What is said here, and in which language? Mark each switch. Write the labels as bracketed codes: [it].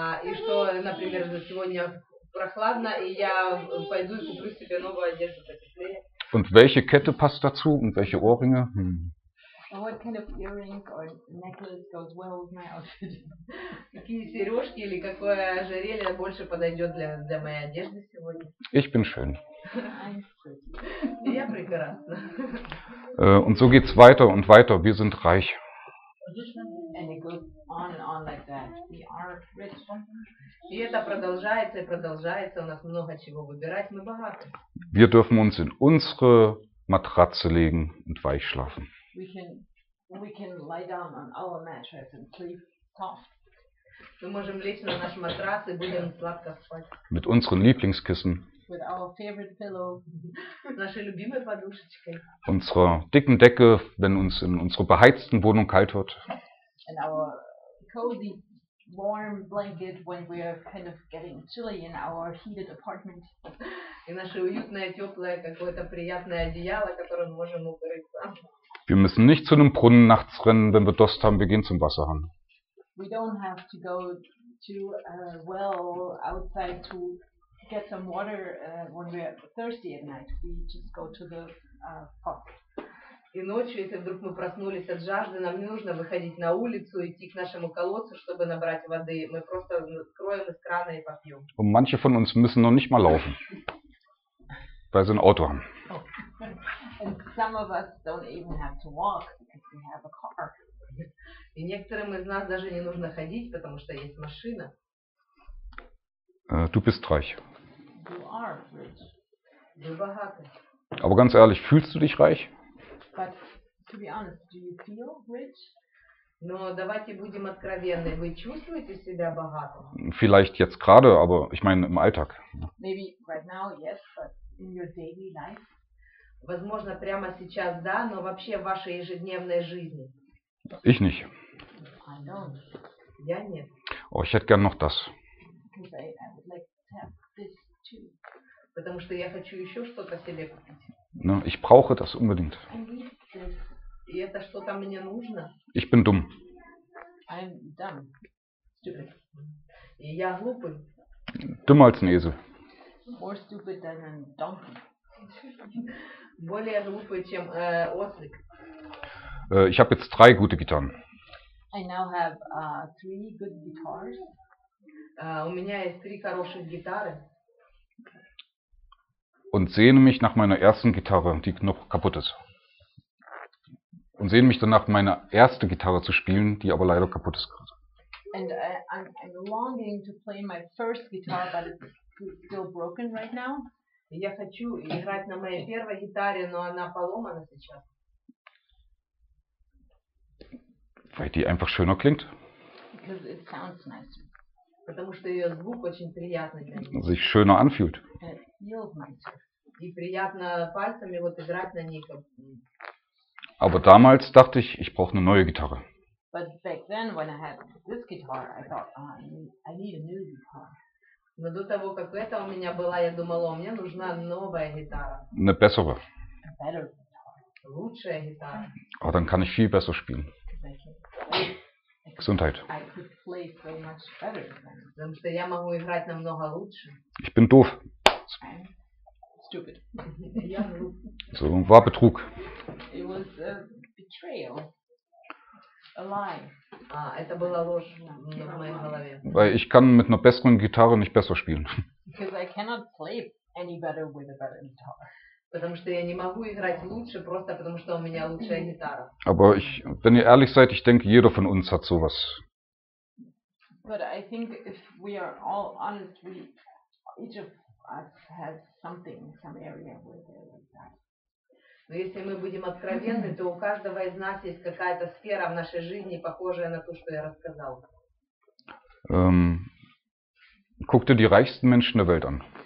[ru] И что, например, сегодня прохладно, и я пойду и куплю себе новую одежду потеплее. [de] Und welche Kette passt dazu und welche Ohrringe? [en] What kind of earrings or necklace goes well with my outfit? [ru] Какие сережки или какое ожерелье больше подойдет для моей одежды сегодня? [de] Ich bin schön. [ru] Я прекрасна. [de] Und so geht's weiter und weiter. Wir sind reich. [en] And it goes on and on like that. We are rich. [ru] И это продолжается и продолжается. У нас много чего выбирать. Мы богаты. [de] Wir dürfen uns in unsere Matratze legen und weich schlafen. [en] We can lie down on our mattress and sleep soft. [ru] Мы можем лечь на наш матрас и будем сладко спать. [de] Mit unseren Lieblingskissen. [en] With our favorite pillow. [ru] Нашей любимой подушечкой. [de] Unserer dicken Decke, wenn uns in unserer beheizten Wohnung kalt wird. [en] And our cozy warm blanket when we are kind of getting chilly in our heated apartment. [ru] И наше уютное, теплое, какое-то приятное одеяло, которым можем укрыться. [de] Wir müssen nicht zu einem Brunnen nachts rennen, wenn wir Durst haben, wir gehen zum Wasserhahn. [en] We don't have to go to a well outside to get some water when we are thirsty at night. We just go to the pot. [ru] И ночью, если вдруг мы проснулись от жажды, нам не нужно выходить на улицу, идти к нашему колодцу, чтобы набрать воды. Мы просто откроем из крана и попьем. [de] Und manche von uns müssen noch nicht mal laufen, weil sie ein Auto haben. [en] And some of us don't even have to walk because we have a car. [ru] И некоторым из нас даже не нужно ходить, потому что есть машина. [de] Du bist reich. [en] You are rich. [ru] Вы богаты. [de] Aber ganz ehrlich, fühlst du dich reich? [en] But to be honest, do you feel rich? [ru] Но давайте будем откровенны. Вы чувствуете себя богатым? [de] Vielleicht jetzt gerade, aber ich meine im Alltag. [en] Maybe right now, yes, but in your daily life. [ru] Возможно, прямо сейчас, да, но вообще в вашей ежедневной жизни. [de] Ich nicht. [en] I don't. [ru] Я нет. [de] Oh, ich hätte gern noch das. [en] I would like to have this too. [ru] Потому что я хочу еще что-то себе купить. [de] No, ich brauche das unbedingt. [en] I need this. [ru] И это что-то мне нужно. [de] Ich bin dumm. [en] I'm dumb. Stupid. [ru] И я глупый. [de] Dümmer als ein Esel. [en] More stupid than a donkey. [ru] Более глупый, чем ослик. [de] Ich habe jetzt drei gute Gitarren. [en] I now have three good guitars. [ru] У меня есть три хороших гитары. [de] Und sehne mich nach meiner ersten Gitarre, die noch kaputt ist. Und sehne mich danach, meine erste Gitarre zu spielen, die aber leider kaputt ist gerade. [en] And I'm longing to play my first guitar, but it's still broken right now. [ru] Я хочу играть на моей первой гитаре, но она поломана сейчас. [de] Weil die einfach schöner klingt. [en] Because it sounds nicer. [ru] Потому что ее звук очень приятный. [de] Sich schöner anfühlt. [en] And it feels nicer. [ru] И приятно пальцами вот играть на ней. [de] Aber damals dachte ich, ich brauche eine neue Gitarre. [en] But back then, when I had this guitar, I thought, I need a new guitar. [ru] Но до того, как это у меня была, я думала, мне нужна новая гитара. [de] Eine bessere. [en] A better guitar. [ru] Лучшая гитара. [de] Oh, dann kann ich viel besser spielen. Gesundheit. [en] I could play so much better than [ru] that. Потому что я могу играть намного лучше. [de] Ich bin doof. [en] Stupid. [de] So, war Betrug. [en] It was a betrayal. A lie. [ru] Это была ложь в моей голове. [de] Weil ich kann mit einer besseren Gitarre nicht besser spielen. [en] Because I cannot play any better with a better guitar. [ru] Потому что я не могу играть лучше, просто потому что у меня лучшая гитара. [de] Aber ich, wenn ihr ehrlich seid, ich denke, jeder von uns hat sowas. [en] But I think if we are all honest, we each of us has something, some area where they're like that. [ru] Но если мы будем откровенны, то у каждого из нас есть какая-то сфера в нашей жизни, похожая на то, что я рассказал. [de] Guck dir die reichsten Menschen der Welt an.